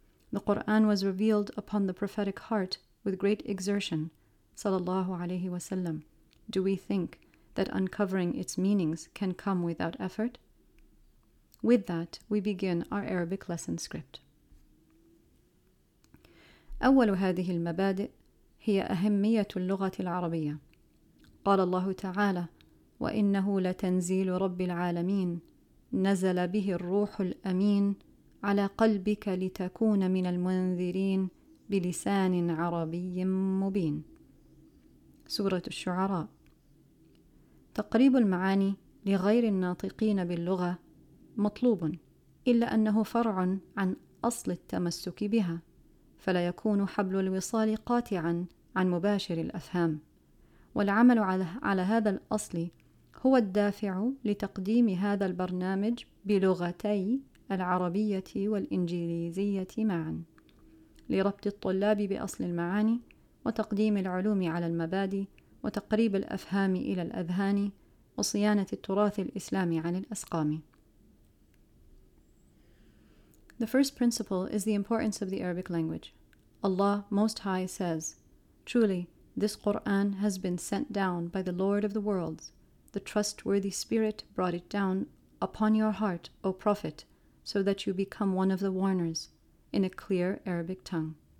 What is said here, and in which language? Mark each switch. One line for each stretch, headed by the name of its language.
English: The Qur'an was revealed upon the prophetic heart with great exertion,
Arabic: sallallahu alayhi wa sallam.
English: Do we think that uncovering its meanings can come without effort? With that, we begin our Arabic lesson script.
Arabic: أول هذه المبادئ هي أهمية اللغة العربية. قال الله تعالى وإنه لتنزيل رب العالمين نزل به الروح الأمين على قلبك لتكون من المنذرين بلسان عربي مبين. سورة الشعراء. تقريب المعاني لغير الناطقين باللغة مطلوب، إلا أنه فرع عن أصل التمسك بها، فلا يكون حبل الوصال قاطعا عن مباشر الأفهام، والعمل على هذا الأصل هو الدافع لتقديم هذا البرنامج بلغتي العربية والإنجليزية معا لربط الطلاب بأصل المعاني وتقديم العلوم على المبادئ وتقريب الأفهام إلى الأذهان وصيانة التراث الإسلامي عن الأسقام.
English: The first principle is the importance of the Arabic language. Allah Most High says, Truly, this Quran has been sent down by the Lord of the worlds. The trustworthy spirit brought it down upon your heart, O Prophet, so that you become one of the warners, in a clear Arabic tongue.